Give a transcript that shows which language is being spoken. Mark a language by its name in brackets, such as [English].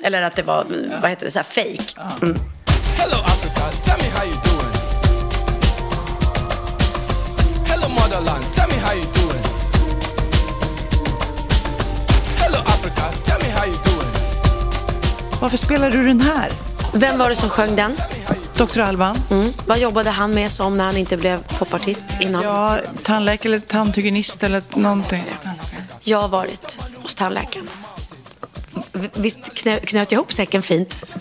[Swedish] Eller att det var, vad heter det, så här fake. [English] Hello Africa, tell me how you doing. Hello motherland, tell me how you doing. Hello Africa, tell me how you doing. [Swedish] Varför spelar du den här? Vem var det som sjöng den? Dr. Alban. Vad jobbade han med som när han inte blev popartist innan? Ja, tandläkare eller tandhygienist eller någonting. Jag har varit hos tandläkaren. Visst knöt jag ihop säcken fint.